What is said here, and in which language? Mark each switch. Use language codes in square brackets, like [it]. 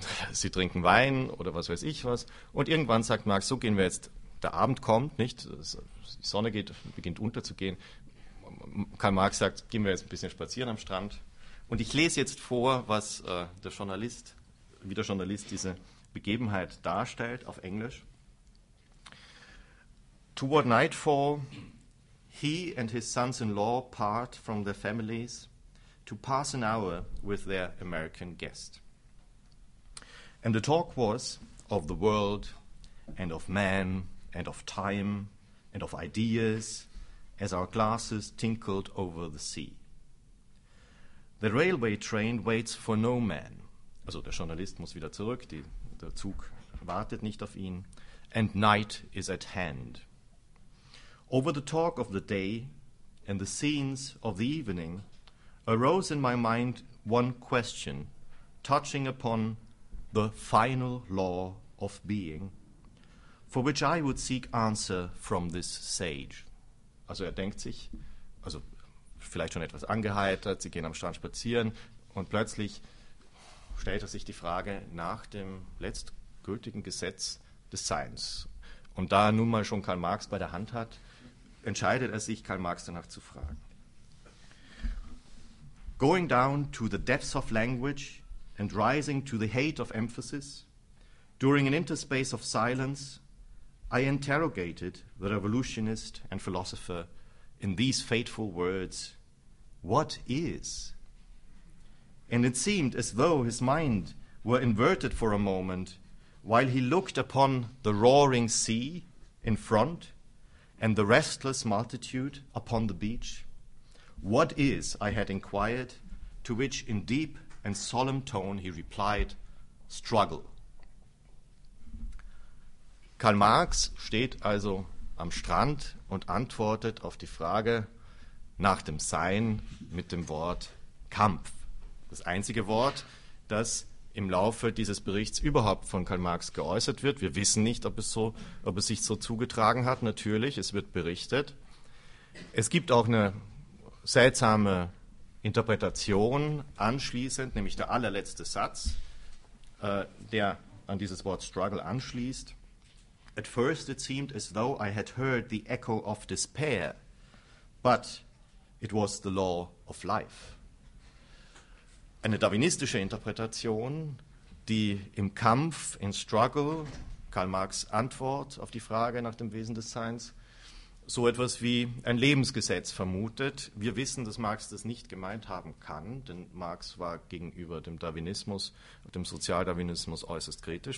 [de] Sie trinken Wein oder was weiß ich was. Und irgendwann sagt Marx, so gehen wir jetzt, der Abend kommt, nicht? Die Sonne geht, beginnt unterzugehen. Karl Marx sagt, gehen wir jetzt ein bisschen spazieren am Strand. Und ich lese jetzt vor, was der Journalist, wie der Journalist diese Begebenheit darstellt auf Englisch. [en] Toward nightfall, he and his sons-in-law part from their families to pass an hour with their American guest. And the talk was of the world and of man and of time and of ideas as our glasses tinkled over the sea. The railway train waits for no man. [de] Also der Journalist muss wieder zurück, der Zug wartet nicht auf ihn. [en] And night is at hand. Over the talk of the day and the scenes of the evening arose in my mind one question touching upon the final law of being, for which I would seek answer from this sage. [de] Also er denkt sich, also vielleicht schon etwas angeheitert, sie gehen am Strand spazieren und plötzlich stellt er sich die Frage nach dem letztgültigen Gesetz des Seins. Und da er nun mal schon Karl Marx bei der Hand hat, entscheidet er sich, Karl Marx danach zu fragen. [en] Going down to the depths of language and rising to the height of emphasis, during an interspace of silence, I interrogated the revolutionist and philosopher in these fateful words, what is? And it seemed as though his mind were inverted for a moment while he looked upon the roaring sea in front and the restless multitude upon the beach? What is, I had inquired, to which in deep and solemn tone he replied, struggle. [de] Karl Marx steht also am Strand und antwortet auf die Frage nach dem Sein mit dem Wort Kampf. Das einzige Wort, das im Laufe dieses Berichts überhaupt von Karl Marx geäußert wird. Wir wissen nicht, ob es sich so zugetragen hat. Natürlich, es wird berichtet. Es gibt auch eine seltsame Interpretation anschließend, nämlich der allerletzte Satz, der an dieses Wort Struggle anschließt. [en] At first it seemed as though I had heard the echo of despair, but it was the law of life. [de] Eine darwinistische Interpretation, die im Kampf, in Struggle, Karl Marx Antwort auf die Frage nach dem Wesen des Seins, so etwas wie ein Lebensgesetz vermutet. Wir wissen, dass Marx das nicht gemeint haben kann, denn Marx war gegenüber dem Darwinismus, dem Sozialdarwinismus äußerst kritisch.